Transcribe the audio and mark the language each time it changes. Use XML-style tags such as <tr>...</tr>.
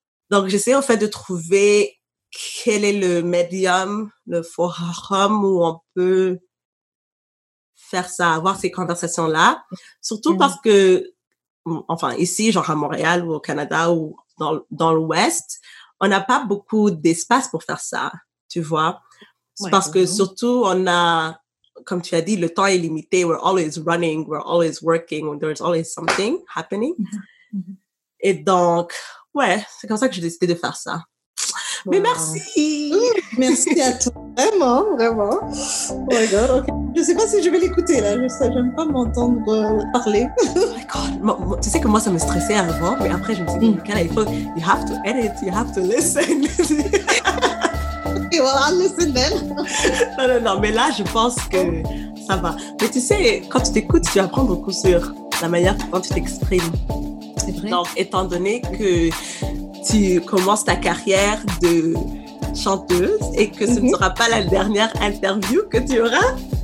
<fr>Donc, j'essayais en fait de trouver... Quel est le médium, le forum où on peut faire ça, avoir ces conversations-là? Surtout parce que, enfin, ici, genre à Montréal ou au Canada ou dans l'Ouest, on n'a pas beaucoup d'espace pour faire ça, tu vois? Ouais, parce que surtout, on a, comme tu as dit, le temps est limité.</fr> <en>We're always running, we're always working, there's always something happening.</en> <fr>Et donc, ouais, c'est comme ça que j'ai décidé de faire ça. Mais merci! Merci à toi, vraiment.</fr> <en>Oh my God, okay.</en> <fr>Je ne sais pas si je vais l'écouter, là. Je n'aime pas m'entendre parler.</fr> <en>Oh my God!</en> <fr>Tu sais que moi, ça me stressait avant, mais après, je me suis dit, Kala, il faut...</fr> <en>You have to edit, you have to listen. Okay, well, I'll listen then.</en> <fr>Non, mais là, je pense que ça va. Mais tu sais, quand tu t'écoutes, tu apprends beaucoup sur la manière dont tu t'exprimes. C'est vrai. Donc, étant donné que... Tu commences ta carrière de chanteuse et que ce ne sera pas la dernière interview que tu auras.</fr>